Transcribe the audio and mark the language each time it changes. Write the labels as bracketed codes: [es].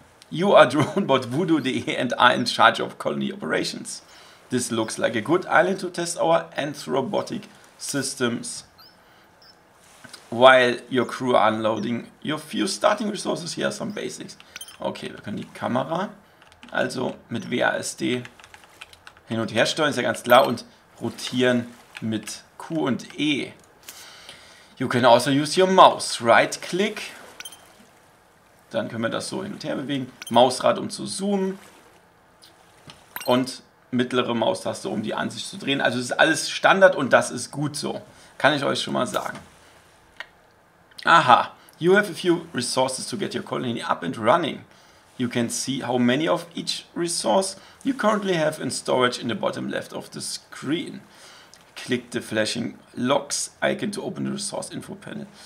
[en] You are Dronebot Voodoo.de and are in charge of colony operations. This looks like a good island to test our anthrobotic systems. While your crew are unloading your few starting resources, here are some basics. [de] Okay, wir können die Kamera also mit WASD hin und her steuern, ist ja ganz klar, und rotieren mit Q und E. [en] You can also use your mouse. Right-click. [de] Dann können wir das so hin und her bewegen. Mausrad, um zu zoomen. Und mittlere Maustaste, um die Ansicht zu drehen. Also es ist alles Standard und das ist gut so. Kann ich euch schon mal sagen. Aha. [en] You have a few resources to get your colony up and running. You can see how many of each resource you currently have in storage in the bottom left of the screen. Click the flashing locks icon to open the resource info panel.